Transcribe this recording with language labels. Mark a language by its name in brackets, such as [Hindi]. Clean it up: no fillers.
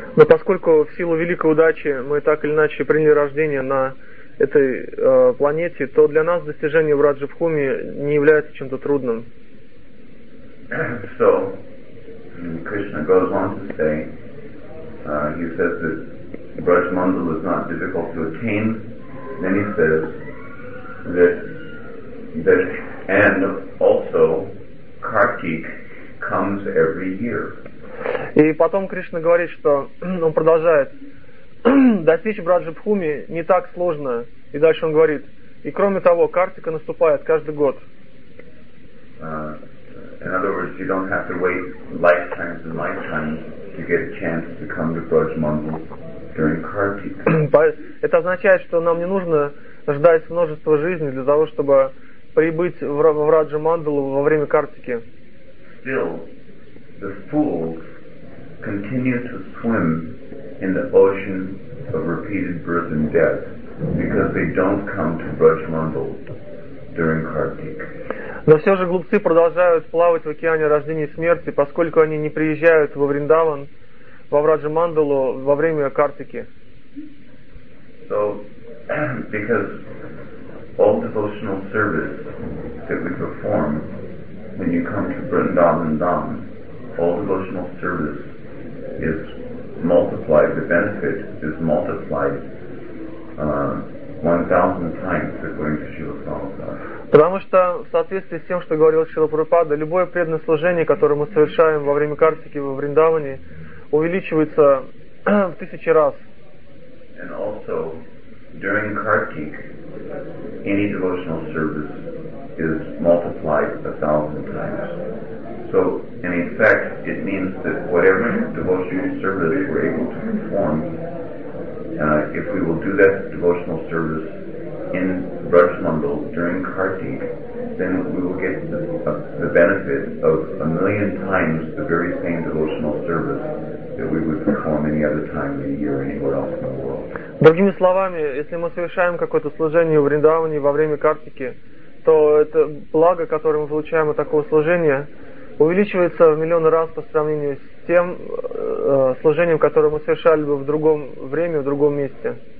[Russian] Но поскольку в силу великой удачи мы так или иначе приняли рождение на этой планете, то для нас достижение в Раджа-Бхуми не является чем-то трудным. [English] So, Krishna goes on to say, he says that Braj Mandal is not difficult to attain. Then he says that and also Kartik comes every year. [Russian] И потом Кришна говорит, что он продолжает достичь Браджабхуми не так сложно. И дальше он говорит, и кроме того, Картика наступает каждый год. [English] In other words, you don't have to wait lifetimes and lifetimes to get a chance to come to Braj Mandal during Kartik. [Russian] Это означает, что нам не нужно ждать множество жизней для того, чтобы прибыть в Враджа Мандалу во время Картики. [English] Still, the fools continue to swim in the ocean of repeated birth and death because they don't come to Braj Mandal during Kartik. [Russian] Но все же глупцы продолжают плавать в океане рождения и смерти, поскольку они не приезжают во Вриндаван, во Враджа Мандалу во время Картики. [English] So, because all devotional service that we perform when you come to Vrindavan Dham, all devotional service is multiplied, the benefit is multiplied 1,000 times according to Śrīla Prabhupāda. [Russian] Потому что в соответствии с тем, что говорил Шрила Прабхупада, любое преданное служение, которое мы совершаем во время Картики во Вриндаване, увеличивается в тысячи раз. [English] And also, during Kartik, any devotional service is multiplied 1,000 times. So, in effect, it means that whatever devotional service we're able to perform, if we will do that devotional service in Braj Mandal during Kartik, then we will get the benefit of 1,000,000 times the very same devotional service that we would perform any other time in a year anywhere else in the world. [Russian] Другими словами, если мы совершаем какое-то служение в Вриндаване во время Картики, то это благо, которое мы получаем от такого служения, увеличивается в миллион раз по сравнению с тем служением, которое мы совершали бы в другом время, в другом месте.